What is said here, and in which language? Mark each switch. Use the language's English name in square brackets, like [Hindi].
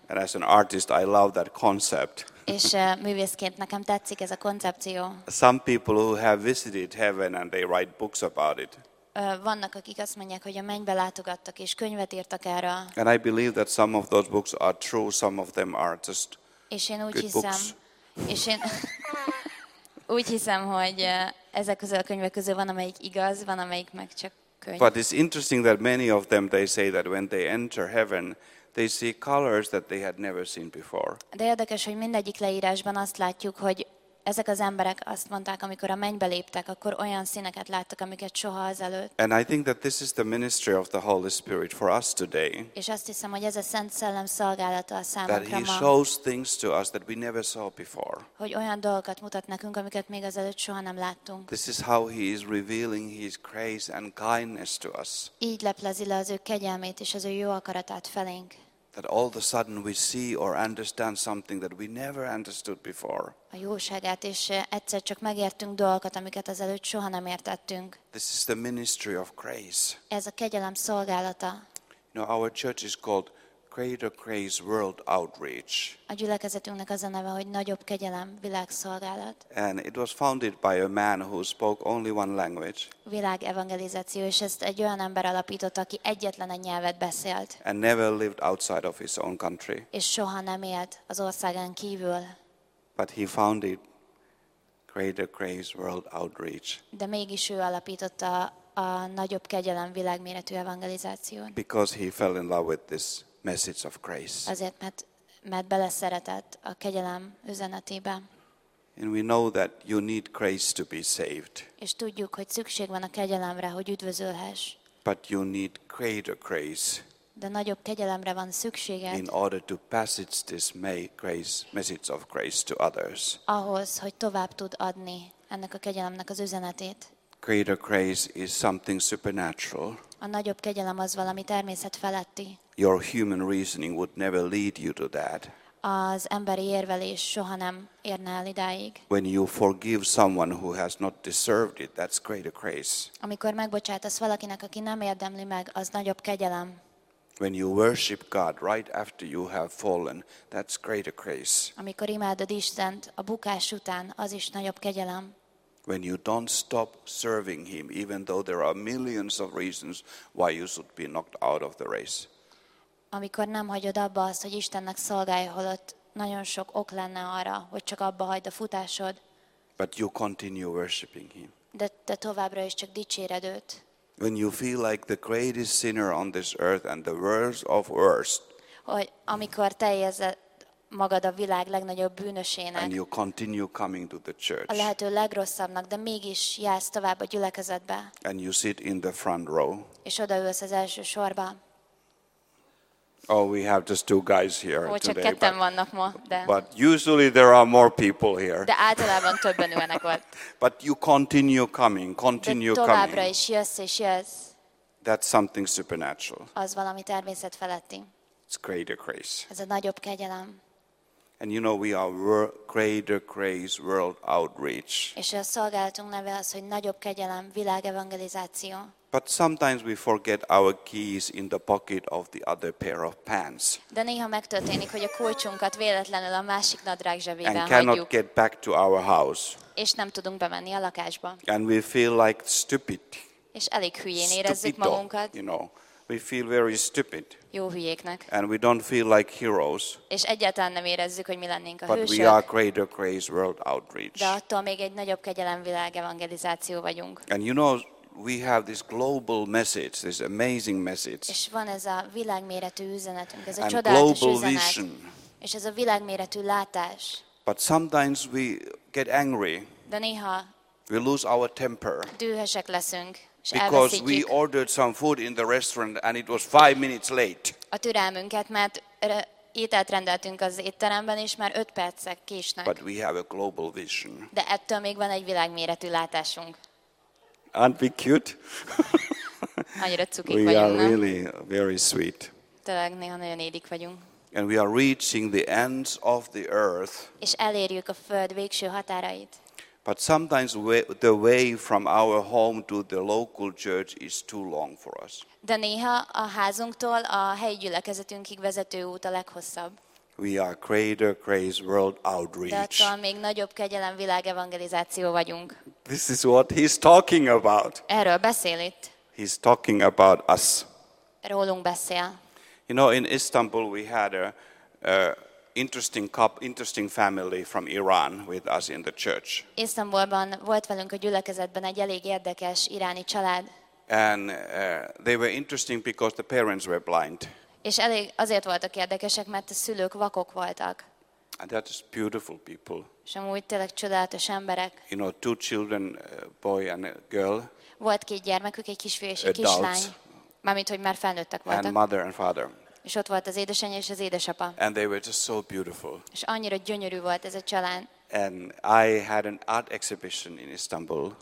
[English] And as an artist, I love that concept. [Hungarian] És művészként nekem tetszik ez a koncepció. [English] Some people who have visited heaven and they write books about it. [Hungarian] Vannak, akik azt mondják, hogy a mennybe látogattak és könyvet írtak erre. [English] And I believe that some of those books are true, some of them are just [Hungarian] és én úgy hiszem, [English] books. [Hungarian] És én úgy hiszem, hogy ezek közül a könyvek közül van, amelyik igaz, van, amelyik meg csak könyv. [English] But it's interesting that many of them, they say that when they enter heaven, they see colors that they had never seen before. [Hungarian] De érdekes, hogy mindegyik leírásban azt látjuk, hogy ezek az emberek azt mondták, amikor a mennybe léptek, akkor olyan színeket láttak, amiket soha azelőtt. [English] And I think that this is the ministry of the Holy Spirit for us today. [Hungarian] És azt hiszem, hogy ez a Szent Szellem szolgálata a számunkra. [English] That he shows things to us that we never saw before. [Hungarian] Hogy olyan dolgokat mutat nekünk, amiket még azelőtt soha nem láttunk. [English] This is how he is revealing his grace and kindness to us. [Hungarian] Így leplezi le az ő kegyelmét és az ő jó akaratát felénk. [English] That all of a sudden we see or understand something that we never understood before. [Hungarian] A jóságát, és egyszer csak megértünk dolgokat, amiket azelőtt soha nem értettünk. [English] This is the ministry of grace. [Hungarian] Ez a kegyelem szolgálata. [English] You know, our church is called Greater Grace World Outreach. [Hungarian] A gyülekezetünknek az a neve, hogy Nagyobb Kegyelem Világszolgálat. [English] And it was founded by a man who spoke only one language. [Hungarian] Világ evangelizáció, és ezt egy olyan ember alapította, aki egyetlen egy nyelvet beszélt. [English] And never lived outside of his own country. [Hungarian] És soha nem élt az országán kívül. [English] But he founded Greater Grace World Outreach. [Hungarian] De mégis ő alapította a Nagyobb Kegyelem Világméretű Evangelizáción. [English] Because he fell in love with this message of grace. [Hungarian] Azért, mert beleszeretett a kegyelem üzenetébe. [English] And we know that you need grace to be saved. [Hungarian] És tudjuk, hogy szükség van a kegyelemre, hogy üdvözölhess. [English] But you need greater grace. [Hungarian] De nagyobb kegyelemre van szükséged. [English] In order to pass this message of grace to others. [Hungarian] Ahhoz, hogy tovább tud adni ennek a kegyelemnek az üzenetét. [English] Greater grace is something supernatural. [Hungarian] A nagyobb kegyelem az valami természet feletti. [English] Your human reasoning would never lead you to that. [Hungarian] Az emberi érvelés soha nem érne el idáig. [English] When you forgive someone who has not deserved it, that's greater grace. [Hungarian] Amikor megbocsátasz valakinek, aki nem érdemli meg, az nagyobb kegyelem. [English] When you worship God right after you have fallen, that's greater grace. [Hungarian] Amikor imádod Istent a bukás után, az is nagyobb kegyelem. [English] When you don't stop serving him, even though there are millions of reasons why you should be knocked out of the race. [Hungarian] Amikor nem hagyod abba azt, hogy Istennek szolgálj, holott nagyon sok ok lenne arra, hogy csak abba hagyd a futásod. [English] But you continue worshiping him. [Hungarian] De te továbbra is csak dicséred őt. [English] When you feel like the greatest sinner on this earth and the worst of worst. [Hungarian] Hogy amikor te érzed magad a világ legnagyobb bűnösének. [English] And you continue coming to the church. [Hungarian] A lehető legrosszabbnak, de mégis jársz tovább a gyülekezetbe. [English] And you sit in the front row. [Hungarian] És odaülsz az első sorba. [English] Oh, we have just two guys here [Hungarian] csak Csak ketten vannak ma, de. [English] But usually there are more people here. [Hungarian] De általában többen ülnek ott. [English] But you continue coming, continue coming. [Hungarian] De továbbra is jössz és jössz. [English] That's something supernatural. [Hungarian] Az valami természet feletti. [English] It's greater grace. [Hungarian] Ez a nagyobb kegyelem. [English] And you know we are Greater Grace World Outreach. [Hungarian] És a szolgálatunk neve az, hogy Nagyobb Kegyelem Világevangelizáció. [English] But sometimes we forget our keys in the pocket of the other pair of pants. [Hungarian] De néha megtörténik, hogy a kulcsunkat véletlenül a másik nadrág zsebében hagyjuk. [English] And cannot get back to our house. [Hungarian] És nem tudunk bemenni a lakásba. [English] And we feel like stupid. [Hungarian] És elég hülyén érezzük magunkat. [English] You know, we feel very stupid. [Hungarian] Jó hülyéknek. [English] And we don't feel like heroes. [Hungarian] És egyáltalán nem érezzük, hogy mi lennénk a [English] but [Hungarian] hősök. [English] We are Greater Grace World Outreach. [Hungarian] De attól még egy nagyobb kegyelem világ evangelizáció vagyunk. [English] And you know, we have this global message, this amazing message. [Hungarian] És van ez a világméretű üzenetünk, ez a [English] and [Hungarian] csodálatos [English] global [Hungarian] üzenet. [English] Vision. [Hungarian] És ez a világméretű látás. [English] But sometimes we get angry. [Hungarian] De néha. [English] We lose our temper. [Hungarian] Dühösek leszünk. [English] Because we ordered some food in the restaurant and it was 5 minutes late. [Hungarian] A türelmünket, mert ételt rendeltünk az étteremben, és már 5 percek késnek. [English] But we have a global vision. [Hungarian] De ettől még van egy világméretű látásunk. [English] Aren't we cute? [Hungarian] Annyira cukik [English] we [Hungarian] vagyunk, [English] are really very sweet. [Hungarian] Tényleg néha nagyon édik vagyunk. [English] And we are reaching the ends of the earth. [Hungarian] És elérjük a föld végső határait. [English] But sometimes the way from our home to the local church is too long for us. [Hungarian] De néha a házunktól a helyi gyülekezetünkig vezető út a leghosszabb. [English] We are Greater Grace World Outreach. [Hungarian] De attól még nagyobb kegyelem világevangelizáció vagyunk. [English] This is what he's talking about. [Hungarian] Erről beszél itt. [English] He's talking about us. [Hungarian] Rólunk beszél. [English] You know, in Istanbul we had an interesting family from Iran with us in the church. [Hungarian] Istanbulban volt velünk a gyülekezetben egy elég érdekes iráni család. [English] And they were interesting because the parents were blind. [Hungarian] És elég azért voltak érdekesek, mert a szülők vakok voltak. [English] And they're just beautiful people. [Hungarian] És amúgy tényleg csodálatos emberek. [English] You know, two children, a boy and a girl. [Hungarian] Volt két gyermekük, egy kisfiú és egy kislány. Mármint, hogy már felnőttek voltak. [English] And mother and father. [Hungarian] És ott volt az édesanyja és az édesapa. [English] And they were just so beautiful. [Hungarian] És annyira gyönyörű volt ez a család. [English] And I had an art exhibition in Istanbul.